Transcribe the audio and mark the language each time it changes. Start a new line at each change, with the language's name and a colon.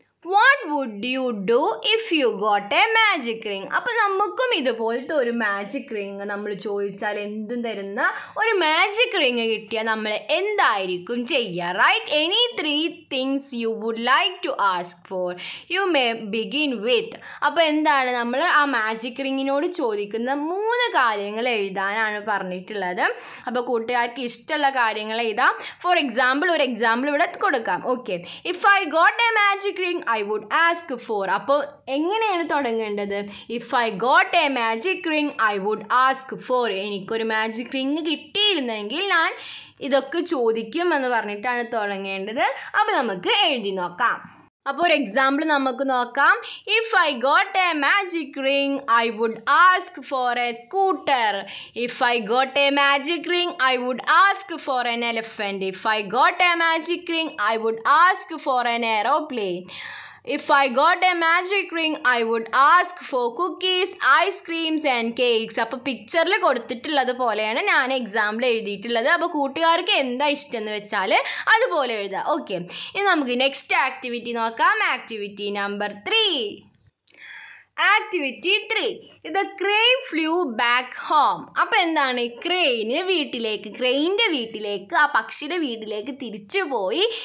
English: What would you do if you got a magic ring?
Malayalam: അപ്പോൾ നമുക്കും ഇതുപോലത്തെ ഒരു മാജിക് റിംഗ് നമ്മൾ ചോദിച്ചാൽ, എന്തും തരുന്ന ഒരു മാജിക് റിംഗ് കിട്ടിയാൽ നമ്മൾ എന്തായിരിക്കും ചെയ്യുക?
English: Right any 3 things you would like to ask for, you may begin with.
Malayalam: അപ്പോൾ എന്താണ് നമ്മൾ ആ മാജിക് റിംഗിനോട് ചോദിക്കുന്ന 3 കാര്യങ്ങൾ എഴുതാനാണ് പറഞ്ഞിട്ടുള്ളത്. അപ്പോൾ കൂട്ടുകാർക്ക് ഇഷ്ടമുള്ള കാര്യങ്ങൾ എഴുതാം. ഫോർ എക്സാമ്പിൾ, ഒരു എക്സാമ്പിൾ ഇവിടെ കൊടുക്കാം. Okay,
English: If I got a magic ring, I would ask for.
Malayalam: അപ്പോൾ എങ്ങനെയാണ് തുടങ്ങേണ്ടത്?
English: If I got a magic ring, I would ask for.
Malayalam: എനിക്കൊരു മാജിക് റിങ് കിട്ടിയിരുന്നെങ്കിൽ ഞാൻ ഇതൊക്കെ ചോദിക്കും എന്ന് പറഞ്ഞിട്ടാണ് തുടങ്ങേണ്ടത്. അപ്പോൾ നമുക്ക് എഴുതി നോക്കാം. അപ്പോൾ ഒരു എക്സാമ്പിൾ നമുക്ക് നോക്കാം.
English: If I got a magic ring I would ask for a scooter. If I got a magic ring I would ask for an elephant. If I got a magic ring I would ask for an aeroplane. If I got a magic ring, I would ask for cookies, ice creams and cakes.
Malayalam: അപ്പോൾ പിക്ചറിൽ കൊടുത്തിട്ടുള്ളത് പോലെയാണ് ഞാൻ example എഴുതിയിട്ടുള്ളത്. അപ്പോൾ കൂട്ടുകാർക്ക് എന്താ ഇഷ്ടം എന്ന് വെച്ചാൽ അതുപോലെ എഴുതാം. ഓക്കെ, ഇനി നമുക്ക് നെക്സ്റ്റ് ആക്ടിവിറ്റി നോക്കാം. Activity number 3. Activity 3.
English: The crane flew back home.
Malayalam: അപ്പോൾ എന്താണ്, ക്രെയിന് വീട്ടിലേക്ക്, ക്രെയിൻ്റെ വീട്ടിലേക്ക്, ആ പക്ഷിയുടെ വീട്ടിലേക്ക് തിരിച്ചു പോയി.